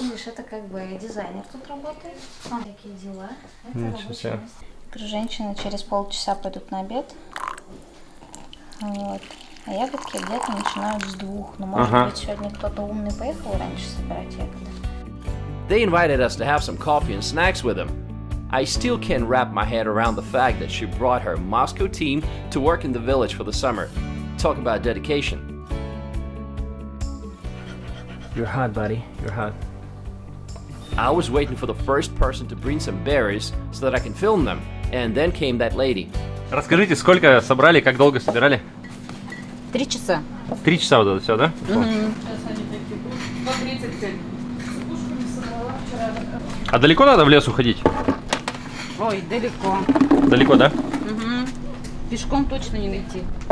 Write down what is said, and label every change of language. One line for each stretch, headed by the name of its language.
Russian: Видишь, это как бы дизайнер тут работает. Вот такие дела. Ничего себе. Женщины через полчаса пойдут на обед. Вот. А ягодки где-то начинают с двух. Но может быть сегодня кто-то умный поехал раньше собирать ягоды.
English: They invited us to have some coffee and snacks with them. I still can't wrap my head around the fact that she brought her Moscow team to work in the village for the summer. Talk about dedication. You're hot, buddy. You're hot. I was waiting for the first person to bring some berries so that I can film them, and then came that lady.
Russian: Расскажите, сколько собрали, как долго собирали? 3 часа. 3 часа вот это все, да? Mm-hmm. А далеко надо в лес уходить? Ой, далеко. Далеко, да? Угу. Пешком точно не найти.